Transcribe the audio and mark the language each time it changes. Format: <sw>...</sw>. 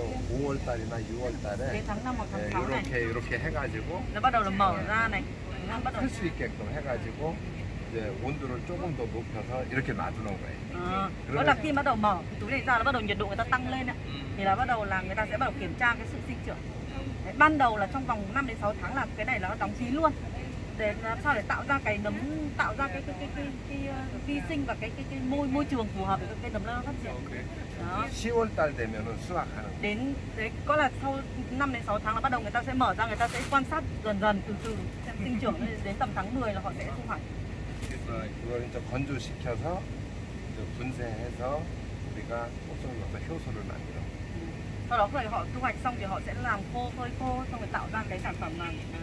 <ko>5월달이나 6월달에 이렇게 해가지고 그럼 할 수 있게끔 해가지고 이제 온도를 조금 더 높여서 이렇게 놔두는 거예요. 아, 그러면</ko> <vi>là khi bắt đầu mở túi này ra là bắt đầu nhiệt độ người ta tăng lên thì là bắt đầu là người ta sẽ bắt đầu kiểm tra cái sự sinh trưởng. Ban đầu là trong vòng 5 đến 6 tháng là cái này nó đóng kín luôn. Để làm sao để tạo ra cái nấm, tạo ra cái vi sinh và cái môi trường phù hợp để cái nấm nó phát triển. Okay. Đó.</vi> <ko>10월 달 되면은 수확하는.</ko> <vi>Đến đấy, có là sau 5 đến 6 tháng là bắt đầu người ta sẽ mở ra, người ta sẽ quan sát dần dần từ từ xem sinh trưởng đến tầm tháng 10 là họ sẽ thu hoạch.</vi> <ko>Rồi, rồi 건조시켜서 분쇄해서 우리가 꽃송이 맛과 효소를 만들어.</ko> <vi>Sau đó khi họ thu hoạch xong thì họ sẽ làm khô, phơi khô xong rồi tạo ra cái sản phẩm này.</vi>